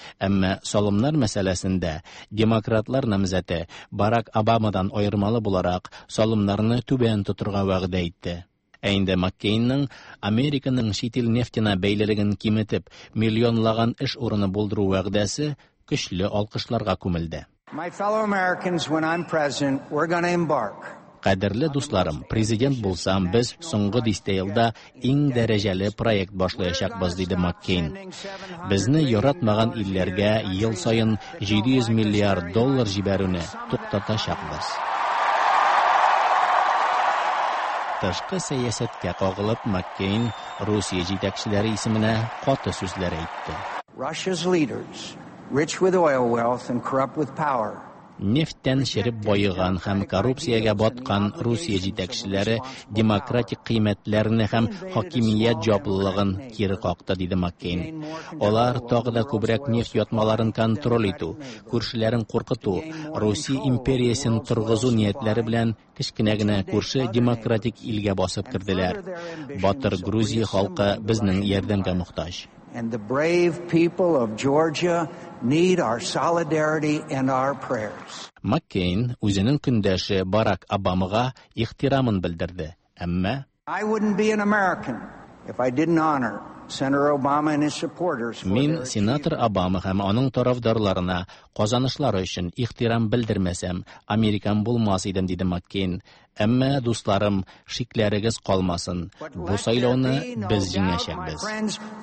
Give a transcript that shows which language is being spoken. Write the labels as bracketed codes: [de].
[tt] Әмма салымнар мәсьәләсендә демократлар намзаты Барак Обамадан айырмалы буларак салымнарны түбән тотырга вәгъдә итте. Ә инде Маккейннең Американың шитил нефтена бәйлелеген киметеп, миллионлаган эш урыны булдыру вәгъдәсе көчле алкышларга күмелде. [en] My fellow Americans, when I'm president, we're going to embark. [tt] Кадерле дусларым, президент булсам, без соңгы дистейлда иң дәрәҗәле проект башлаячакбыз, диде Маккейн. Безне яратмаган илләргә ел саен 700 миллиард доллар җибәрүне туктатачакбыз. Тышкы сәясәткә кагылып, Маккейн Русия җитәкчеләре исеменә каты сүзләр әйтте. [en] Russia's leaders, rich with oil wealth and corrupt with power. [tt] Нефттән шереп байыган һәм коррупциягә баткан Русия җитәкчеләре демократик кыйммәтләрне һәм хакимият җаплылыгын кире какты, диде Маккейн. Алар тагы да күбрәк нефт ятмаларын контроль итү, күршеләрен куркыту, Русия империясын торгызу ниятләре белән кечкенә генә күрше демократик илгә басып керделәр. Батыр Грузия халкы безнең ярдәмгә мохтаҗ. [en] And the brave people of Georgia need our solidarity and our prayers. [tt] Маккейн үзенең көндәше Барак Обамага ихтирамын белдерде. Әмма [en] I wouldn't be an American if I didn't honor Senator Obama and his supporters. [tt] Мин сенатор Обама һәм аның тарафдарларына казанышлары өчен ихтирам белдермәсәм, американ булмас идем, диде Маккейн. Әмма дусларым, шикләрегез калмасын. Бу сайлауны без җиңәчәкбез.